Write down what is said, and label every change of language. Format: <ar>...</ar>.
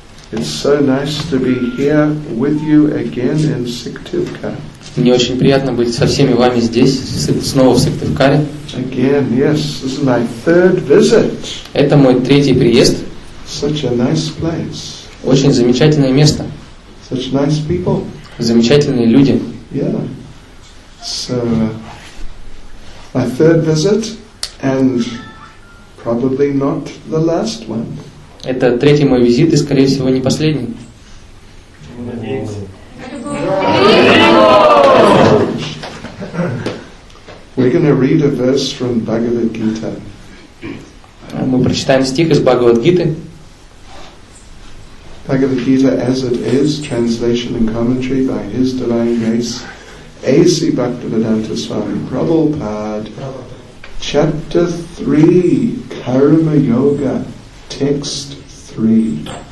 <en>It's so nice to be here with you again in Сыктывкаре.</en> <ru>Мне очень приятно быть со всеми вами здесь, снова в Сыктывкаре.</ru> <en>Again, yes, this is my third visit.</en> <ru>Это мой третий приезд.</ru> <en>Such a nice place.</en> <ru>Очень замечательное место.</ru> <en>Such nice people.</en> <ru>Замечательные люди.</ru> <en>Yeah. So, my third visit, and probably not the last one.</en> <ru>Это третий мой визит и, скорее всего, не последний.</ru> <en>We're going to read a verse from Bhagavad Gita.</en> <ru>Мы прочитаем стих из Бхагавад Гиты.</ru> <en>Bhagavad Gita as it is, translation and commentary by His Divine Grace, A.C. Bhaktivedanta Swami Prabhupada, Chapter 3, Karma Yoga, Text 3.</en>